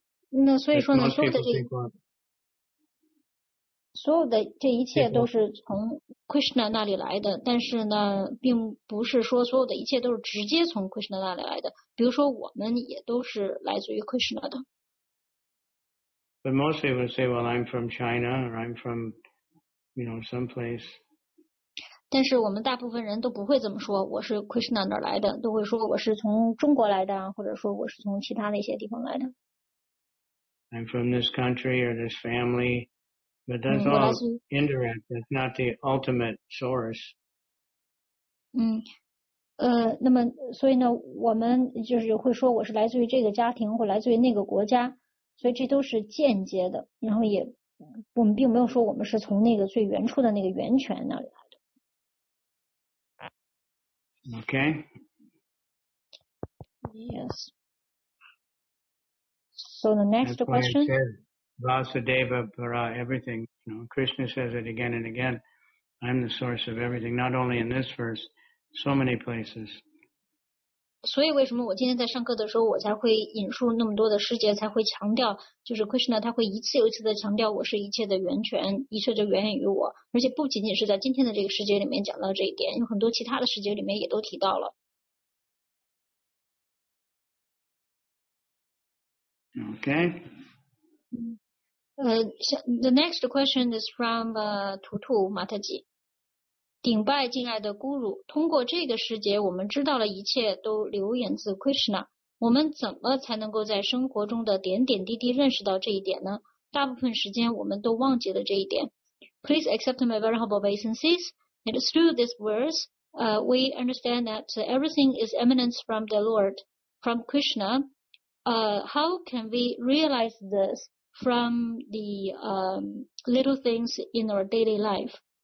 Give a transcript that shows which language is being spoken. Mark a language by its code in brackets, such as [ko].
[zh] 那所以说呢，所有的这一切都是从 Krishna 那里来的，但是呢，并不是说所有的一切都是直接从 Krishna 那里来的。比如说，我们也都是来自于 Krishna 的。 [en] But most people say, well, I'm from China, or I'm from... You know, someplace. [zh] 但是我们大部分人都不会这么说，我是 Krishna 哪来的，都会说我是从中国来的，或者说我是从其他的一些地方来的。 [en] I'm from this country or this family, but that's all indirect. That's not the ultimate source. [zh] 那么所以呢，我们就是会说我是来自于这个家庭或来自于那个国家，所以这都是间接的，然后也。我们并没有说我们是从那个最原初的那个源泉那里来的。 Okay. Yes. [en] So the next That's question. Vasudeva para everything. You know, Krishna says it again and again. I'm the source of everything, not only in this verse, so many places. [zh] 所以为什么我今天在上课的时候我才会引述那么多的师节，才会强调就是 Krishna 他会一次又一次的强调我是一切的源泉，一切就源于我，而且不仅仅是在今天的这个师节里面讲到这一点，有很多其他的师节里面也都提到了。 OK、 [en] The next question is from Tutu Mataji。 [zh] 顶拜敬爱的 Guru， 通过这个世界我们知道了一切都流源自 Krishna， 我们怎么才能够在生活中的点点滴滴认识到这一点呢？大部分时间我们都忘记了这一点。 [en] Please accept my venerable obeisances. And through this verse, we understand that everything is emanates from the Lord, from Krishna. How can we realize this from the little things in our daily life?